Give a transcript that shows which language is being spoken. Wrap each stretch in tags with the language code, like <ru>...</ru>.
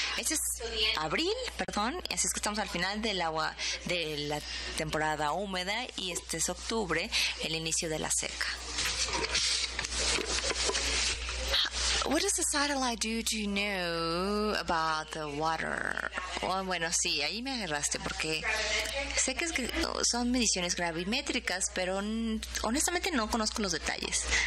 <es>Este es abril, perdón, así es que estamos al final del agua de la temporada húmeda y este es octubre, el inicio de la seca.</es> <en>What does the satellite do to know about the water?</en> <es>Oh, bueno, sí, ahí me agarraste porque sé que son mediciones gravimétricas, pero honestamente no conozco los detalles.</es>